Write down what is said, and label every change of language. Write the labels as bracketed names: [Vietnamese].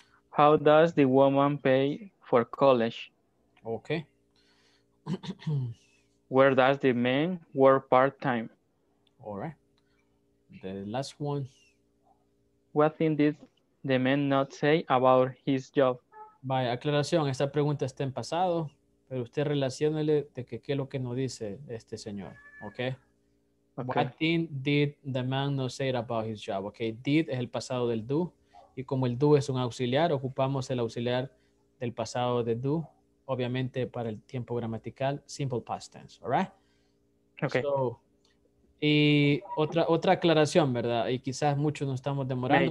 [English] How does the woman pay for college? Okay. Where does the man work part-time? All right. The last one. What thing did the man not say about his job? [Spanish] Vaya, aclaración, esta pregunta está en pasado, pero usted relaciónele de que qué es lo que no dice este señor, okay? [English] Okay. What thing did the man not say about his job? [Spanish] Okay, did es el pasado del do. Y como el do es un auxiliar, ocupamos el auxiliar del pasado de do, obviamente para el tiempo gramatical, simple past tense, all right? [English] Okay. [Spanish] So, y otra aclaración, ¿verdad? Y quizás muchos nos estamos demorando.